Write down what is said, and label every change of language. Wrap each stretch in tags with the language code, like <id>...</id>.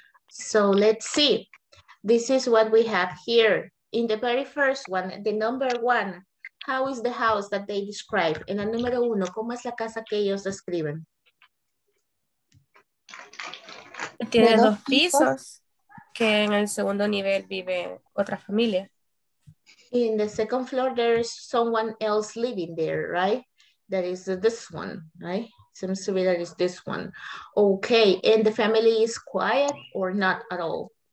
<en>So let's see. This is what we have here. In the very first one, the number one, how is the house that they describe?</en> <es>En la número uno, ¿cómo es la casa que ellos describen? Tiene dos pisos, que en el segundo nivel vive otra familia.</es> <en>In the second floor, there is someone else living there, right? That is this one, right? Seems to be that is this one. Okay, and the family is quiet or not at all?</en>